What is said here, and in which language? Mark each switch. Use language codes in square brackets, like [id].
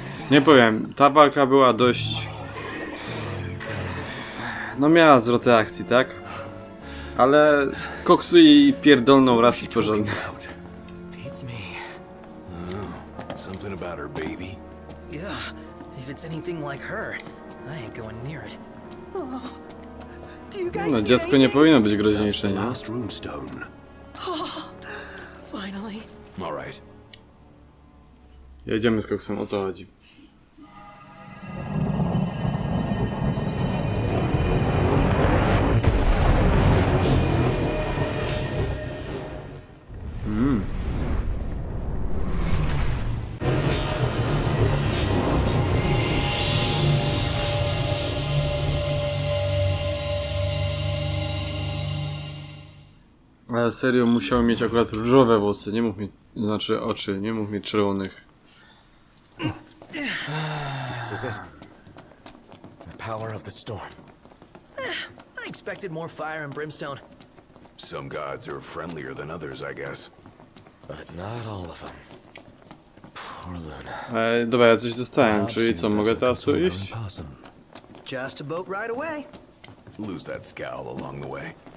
[pl] Nie powiem, ta walka była dość... No miała zwrot akcji, tak? Ale koksuj jej pierdolną raz i porządnie. [en] Something about her baby. Yeah, if it's anything like her, I ain't going near it. Oh. Do you guys [pl] no, dziecko nie powinno być groźniejsze, nie? [en] Last runestone. Finally. All right. [pl] Jedziemy z koksem, o co chodzi? Serio, musiał mieć akurat różowe włosy, nie mógł mieć, znaczy oczy, nie mógł mieć czerwonych. [en] This is it. The power of the storm. I expected more fire and brimstone. Some gods are friendlier than others, I guess. But not all of them. Poor Luna. [pl] Dobra, ja coś dostałem, czyli co, mogę teraz iść? [en] Just a boat right away. Lose that scowl along the way.